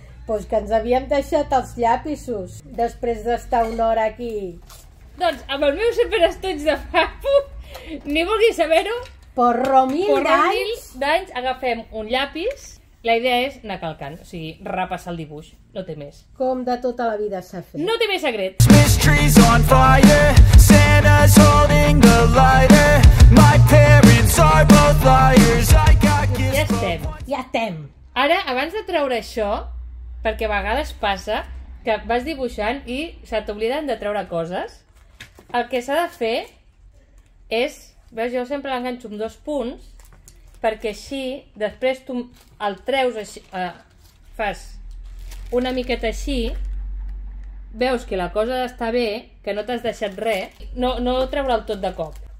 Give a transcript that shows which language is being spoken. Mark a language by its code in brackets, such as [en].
[ca] Pues que ens havíem deixat els llapissos després d'estar una hora aquí. Doncs amb els meus super estoig de fapo, ni vulguis saber-ho. Porro mil d'anys. Agafem un llapis. La idea és anar calcant, o sigui, repassar el dibuix. No té més. Com de tota la vida s'ha fet. No té més secret. [en] Mystery's on fire, Santa's holding the lighter, my parents are both liars, I got gifts. [ca] Ja estem. Ja estem. Ara, abans de treure això, perquè a vegades passa que vas dibuixant i se t'obliden de treure coses, el que s'ha de fer és... Veus, jo sempre l'enganxo amb dos punts, perquè així, després tu el treus així, fas una miqueta així, veus que la cosa està bé, que no t'has deixat res, no treure'l tot de cop.